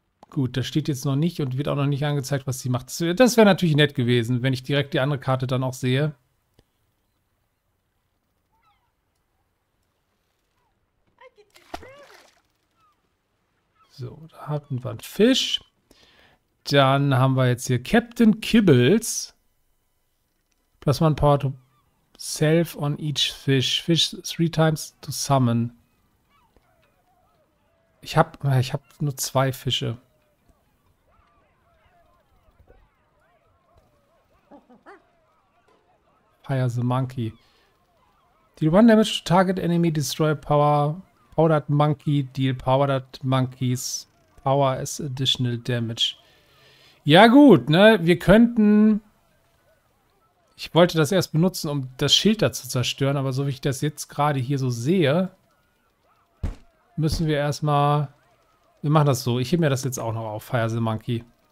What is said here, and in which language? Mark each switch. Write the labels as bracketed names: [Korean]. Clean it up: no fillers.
[German] Gut, das steht jetzt noch nicht und wird auch noch nicht angezeigt, was sie macht. Das wäre natürlich nett gewesen, wenn ich direkt die andere Karte dann auch sehe. So, da hatten wir einen Fisch. Dann haben wir jetzt hier Captain Kibbles. [English] Plus one power to self on each fish. Fish 3 times to summon. [German] Ich hab nur 2 Fische. [English] Fire the monkey. Deal 1 damage to target enemy, destroy power. Powdered monkey, deal powdered monkeys. Power as additional damage. [German] Ja gut, ne? Wir könnten. Ich wollte das erst benutzen, um das Schild da zu zerstören, aber so wie ich das jetzt gerade hier so sehe, müssen wir erstmal. Wir machen das so. Ich hebe mir das jetzt auch noch auf. Fire the Monkey.